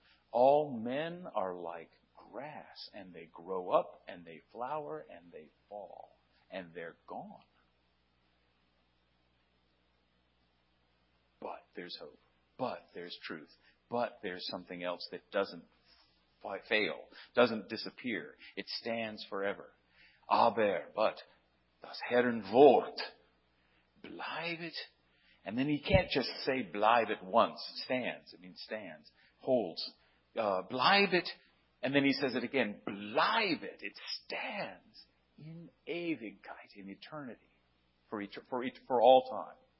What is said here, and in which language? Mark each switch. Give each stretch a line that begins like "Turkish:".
English: All men are like grass, and they grow up, and they flower, and they fall, and they're gone. But there's hope. But there's truth. But there's something else that doesn't fail, doesn't disappear. It stands forever.
German: Aber,
English: but,
German: das Herren Wort, bleibet.
English: And then he can't just say bleibet once. Stands. I mean stands. Holds. Bleibet. And then he says it again. Bleibet. It stands
German: in Ewigkeit,
English: in eternity, for all time.